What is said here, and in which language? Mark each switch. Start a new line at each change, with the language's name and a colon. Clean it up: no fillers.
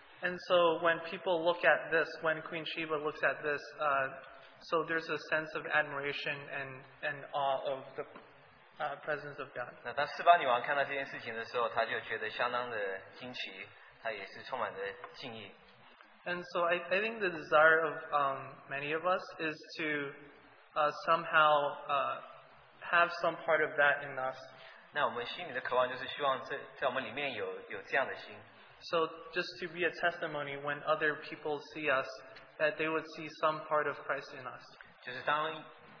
English: And so when people look at this, when Queen Sheba looks at this, so there's a sense of admiration and awe of the presence of God.
Chinese: 那当示巴女王看到这件事情的时候，她就觉得相当的惊奇，她也是充满着敬意。
English: And so I think the desire of many of us is to somehow have some part of that in us.
Chinese: 那我们心里的渴望就是希望在我们里面有这样的心。
English: So just to be a testimony when other people see us, that they would see some part of Christ in us.